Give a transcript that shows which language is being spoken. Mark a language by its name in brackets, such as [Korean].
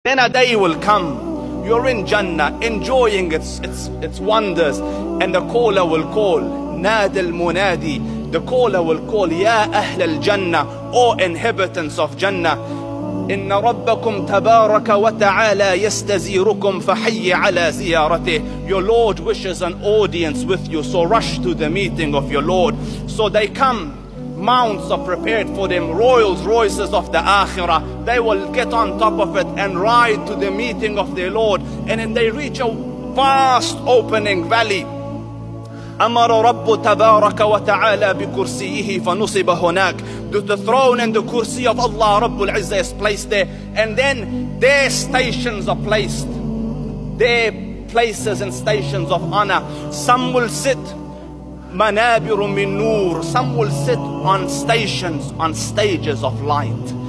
[English] Then a day will come, you're in Jannah, enjoying its wonders, and the caller will call, [Arabic] ناد المنادي. [English] The caller will call, [Arabic] يا أهل الجنة, [English] O inhabitants of Jannah, [Arabic] إن ربكم تبارك وتعالى يستزيركم فحي على زيارته. [English] Your Lord wishes an audience with you, so rush to the meeting of your Lord. So they come, mounts are prepared for them, Rolls Royces of the Akhirah. They will get on top of it and ride to the meeting of their Lord. And then they reach a vast opening valley. [Arabic] أمر رب تبارك وتعالى بكرسيه فنصب هناك. [English] The throne and the kursi of Allah [Arabic] رب العزة [English] is placed there. And then their stations are placed. Their places and stations of honor. Some will sit [Arabic] منابر من نور. [English] Some will sit on stations, on stages of light.